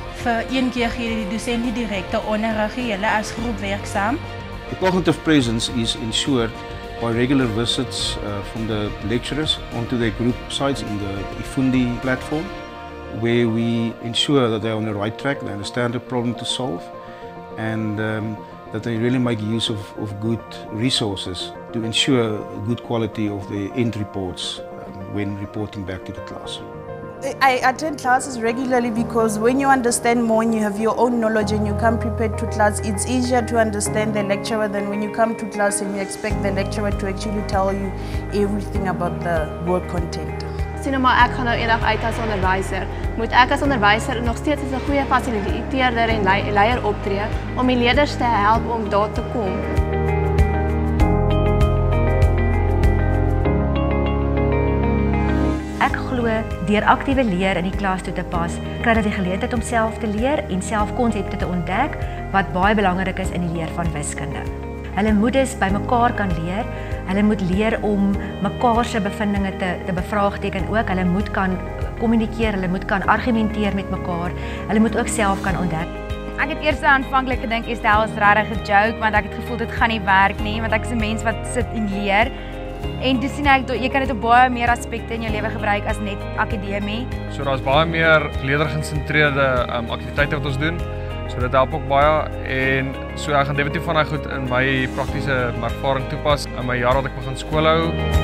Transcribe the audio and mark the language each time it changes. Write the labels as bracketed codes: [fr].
[af] Vir een keer gee die dosent nie direkte onderrig, julle as groep werk saam. [en] The cognitive presence is ensured by regular visits from the lecturers onto their group sites in the Ifundi platform, where we ensure that they're on the right track, they understand the problem to solve, and that they really make use of good resources to ensure good quality of the end reports when reporting back to the class. I attend classes regularly because when you understand more and you have your own knowledge and you come prepared to class, it's easier to understand the lecturer than when you come to class and you expect the lecturer to actually tell you everything about the work content. [af] Sien maar ek gaan nou eendag uit as onderwyser. Moet ek as onderwyser nog steeds as 'n goeie fasiliteerder en leier optree om die leerders te help om daar te kom? Ek glo deur aktiewe leer in die klas toe te pas, kry dat die geleentheid om self te leer en self konsepte te ontdek wat baie belangrik is in die leer van wiskunde. Hulle moet dus by mekaar kan leer. Hulle moet leer om mekaar se bevindinge te bevraagteken ook. Hulle moet kan kommunikeer, hulle moet kan argumenteer met mekaar. Hulle moet ook self kan ontdek. Ek het eers aanvanklik gedink Estel is regtig 'n joke, want ek het gevoel dit gaan nie werk nie, want ek is 'n mens wat sit en leer. En dis sien ek jy kan dit op baie meer aspekte in jou lewe gebruik as net akademie. So daar's baie meer leerder-gesentreerde aktiwiteite wat ons doen. So dit help ook baie en so ek gaan definitief van daai goed in my praktiese ervaring toepas in my jaar wat ek begin skool hou.